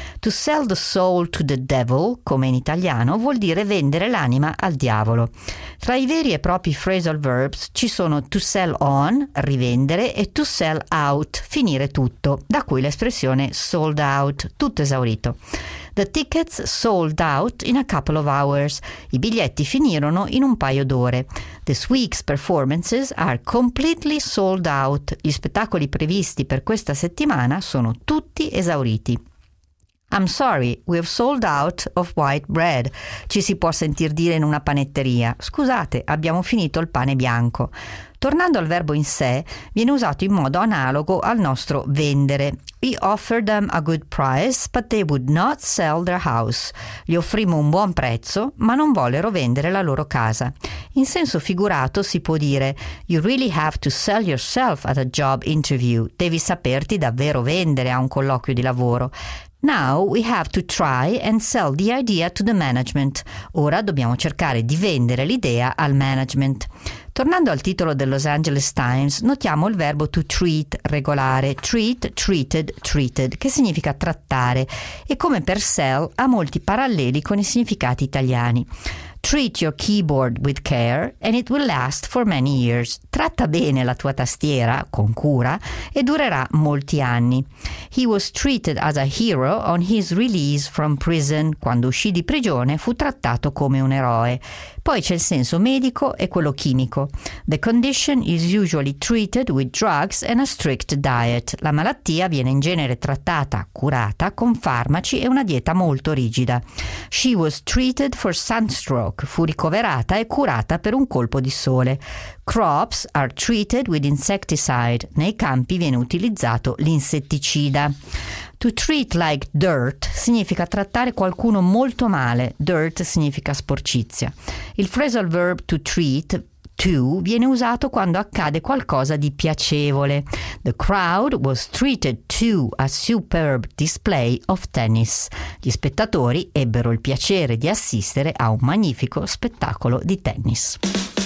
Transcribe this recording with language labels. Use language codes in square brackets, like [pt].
[en] To sell the soul to the devil, [it] come in italiano, vuol dire vendere l'anima al diavolo. Tra i veri e propri phrasal verbs ci sono to sell on, rivendere, e to sell out, finire tutto, da cui l'espressione sold out, tutto esaurito. [en] The tickets sold out in a couple of hours. [it] I biglietti finirono in un paio d'ore. [en] This week's performances are completely sold out. [it] Gli spettacoli previsti per questa settimana sono tutti esauriti. [en] I'm sorry, we have sold out of white bread, [it] ci si può sentir dire in una panetteria. Scusate, abbiamo finito il pane bianco. Tornando al verbo in sé, viene usato in modo analogo al nostro vendere. [en] We offered them a good price, but they would not sell their house. [it] Gli offrimmo un buon prezzo, ma non vollero vendere la loro casa. In senso figurato si può dire [en] you really have to sell yourself at a job interview. [it] Devi saperti davvero vendere a un colloquio di lavoro. [en] Now we have to try and sell the idea to the management. [it] Ora dobbiamo cercare di vendere l'idea al management. Tornando al titolo del Los Angeles Times, notiamo il verbo to treat, regolare, treat, treated, treated, che significa trattare, e come per sell ha molti paralleli con i significati italiani. [en] Treat your keyboard with care and it will last for many years. [it] Tratta bene la tua tastiera, con cura, e durerà molti anni. [en] He was treated as a hero on his release from prison. [it] Quando uscì di prigione fu trattato come un eroe. Poi c'è il senso medico e quello chimico. [en] The condition is usually treated with drugs and a strict diet. [it] La malattia viene in genere trattata, curata, con farmaci e una dieta molto rigida. [en] She was treated for sunstroke. [it] Fu ricoverata e curata per un colpo di sole. [en] Crops are treated with insecticide. [it] Nei campi viene utilizzato l'insetticida. [en] To treat like dirt [it] significa trattare qualcuno molto male. Dirt significa sporcizia. Il phrasal verb to treat, to, viene usato quando accade qualcosa di piacevole. [en] The crowd was treated to a superb display of tennis. [it] Gli spettatori ebbero il piacere di assistere a un magnifico spettacolo di tennis.